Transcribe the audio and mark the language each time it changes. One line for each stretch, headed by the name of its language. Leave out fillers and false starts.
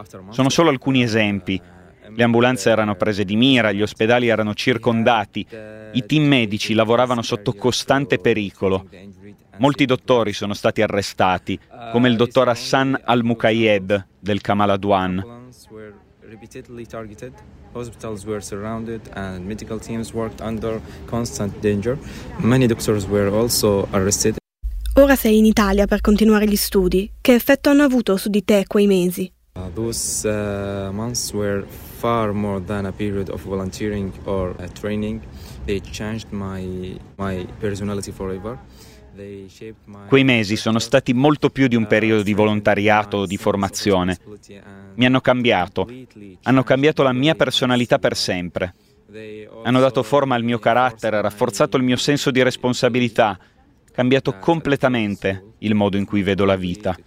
Italian: Sono solo alcuni esempi. Le ambulanze erano prese di mira, gli ospedali erano circondati, i team medici lavoravano sotto costante pericolo. Molti dottori sono stati arrestati, come il dottor Hassan Al-Mukayeb del Kamal Adwan.
English: Hospitals were surrounded and medical teams worked under constant danger. Many doctors were also arrested.
Italian: Ora sei in Italia per continuare gli studi. Che effetto hanno avuto su di te quei mesi?
English: Those months were far more than a period of volunteering or training. They changed my personality forever.
Italian: Quei mesi sono stati molto più di un periodo di volontariato o di formazione. Mi hanno cambiato. Hanno cambiato la mia personalità per sempre. Hanno dato forma al mio carattere, rafforzato il mio senso di responsabilità, cambiato completamente il modo in cui vedo la vita.